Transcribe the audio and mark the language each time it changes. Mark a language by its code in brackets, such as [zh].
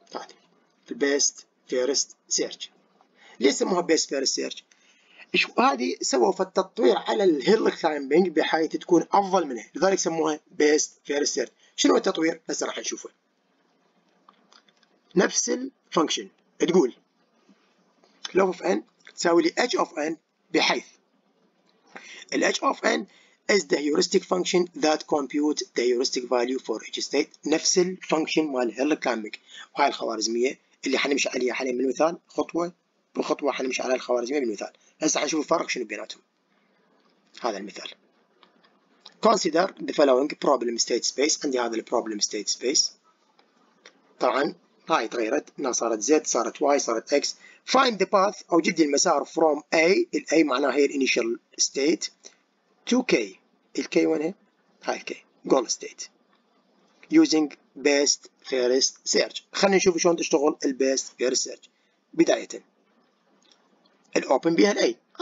[ar] هذه البيست فيرست سيرش. ليش سموها بيست فيرست سيرش؟ هذه سووا في التطوير على الهيل كلايمبنج بحيث تكون افضل منها، لذلك سموها بيست فيرست سيرش. شنو التطوير؟ هسه راح نشوفه. نفس الفانكشن تقول لوف اوف ان تساوي لي اتش اوف ان، بحيث [en] ال h of n is the heuristic function that compute the heuristic value for each state. [ar] نفس الفانكشن مال هيل كلايمبنج وهاي الخوارزميه اللي حنمشي عليها حاليا بالمثال خطوه بخطوه حنمشي على الخوارزميه بالمثال. هسه حنشوف الفرق شنو بيناتهم. هذا المثال. [en] Consider the following problem state space. [ar] عندي هذا البروبلم ستيت سبيس. طبعا هاي تغيرت انها صارت زد صارت واي صارت اكس. [en] Find the path [ar] او جدي المسار [en] from A. [ar] ال A معناها هي الانيشال ستيت [en] to K. [ar] ال K وين هي؟ هاي ال K. [en] Goal state. Using best fairest search. [ar] خلينا نشوف شلون تشتغل ال best fairest search. بداية ال open بها ال A.